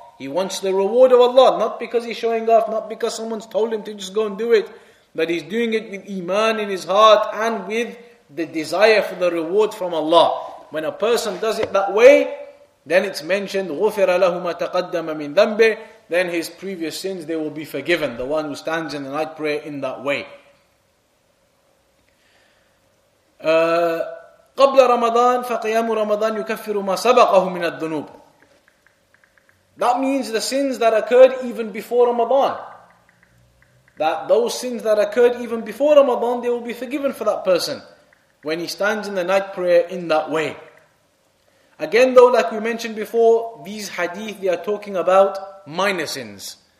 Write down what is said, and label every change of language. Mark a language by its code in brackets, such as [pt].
[en] He wants the reward of Allah, not because he's showing off, not because someone's told him to just go and do it, but he's doing it with iman in his heart and with the desire for the reward from Allah. When a person does it that way, then it's mentioned, [ar] غُفِرَ لَهُ مَا تَقَدَّمَ مِنْ ذَنْبِهِ, [en] then his previous sins, they will be forgiven, the one who stands in the night prayer in that way. [ar] قبل رمضان فقيام رمضان يكفر ما سبقه من الذنوب. [en] That means the sins that occurred even before Ramadan. That those sins that occurred even before Ramadan, they will be forgiven for that person when he stands in the night prayer in that way. Again though, like we mentioned before, these hadith, they are talking about minor sins.